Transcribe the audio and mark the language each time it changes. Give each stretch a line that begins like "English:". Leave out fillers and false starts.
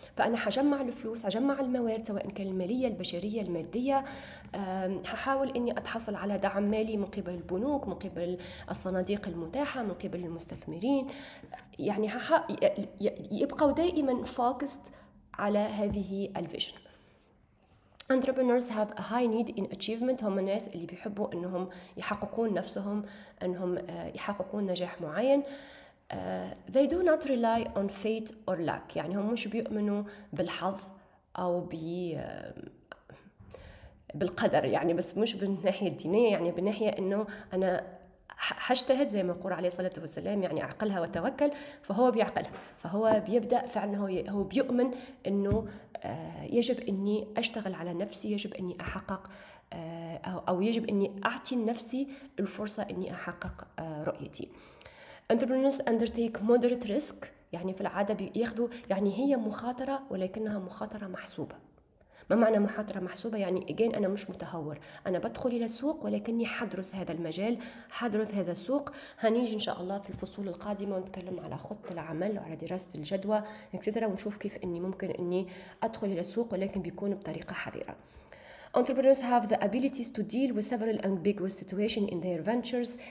Arabic: فأنا حجمع الفلوس، حجمع الموارد، سواء كان المالية، البشرية، المادية، ححاول أني أتحصل على دعم مالي من قبل البنوك، من قبل الصناديق المتاحة، من قبل المستثمرين. يعني يبقوا دائما فوكست على هذه الفيجن.
English: Entrepreneurs have a high need in achievement.
Arabic: هم الناس اللي بيحبوا أنهم يحققون نفسهم، أنهم يحققون نجاح معين.
English: They do not rely on fate or luck.
Arabic: يعني هم مش بيؤمنوا بالحظ أو بالقدر، يعني بس مش بالناحية الدينية، يعني بالناحية أنه أنا حاجتهد زي ما يقول عليه الصلاة والسلام، يعني عقلها وتوكل. فهو بيعقلها، فهو بيبدأ فعلا، هو بيؤمن أنه يجب أني أشتغل على نفسي، يجب أني أحقق أو يجب أني أعطي نفسي الفرصة أني أحقق رؤيتي.
English: Entrepreneurs undertake moderate risk،
Arabic: يعني في العادة بياخذوا، يعني هي مخاطرة ولكنها مخاطرة محسوبة. ما معنى مخاطرة محسوبة؟ يعني again أنا مش متهور، أنا بدخل إلى السوق ولكني حدرس هذا المجال، حدرس هذا السوق. هنيجي إن شاء الله في الفصول القادمة ونتكلم على خطة العمل وعلى دراسة الجدوى اكسترا، ونشوف كيف أني ممكن أني أدخل إلى السوق ولكن بيكون بطريقة حذرة.
English: Entrepreneurs have the abilities to deal with several ambiguous situations in their ventures.